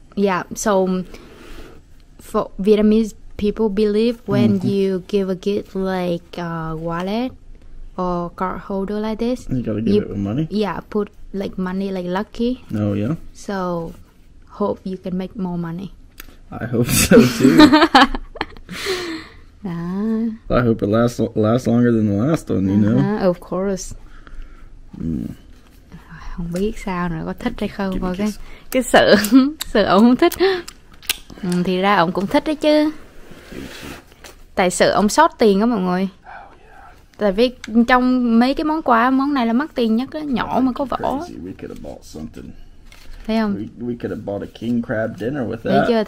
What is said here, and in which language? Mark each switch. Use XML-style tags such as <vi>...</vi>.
<en>Yeah, so for Vietnamese people believe when you give a gift like a wallet or card holder like this, you gotta give it with money. Yeah, put like money, like lucky. Oh yeah. So, hope you can make more money. I hope so too. I hope it lasts longer than the last one. You know. Of course.</en> <vi>Không biết sao nữa, có thích hay không? Có cái sự sự ông không thích. Thì ra ông cũng thích đấy chứ. Tại sự ông sót tiền đó mọi người. Tại vì trong mấy cái món quà, món này là mắc tiền nhất đó, nhỏ mà có vỏ.</vi> <en>We could have bought something.</en> <vi>Thấy không?</vi> <en>We could have bought a king crab dinner with that.</en>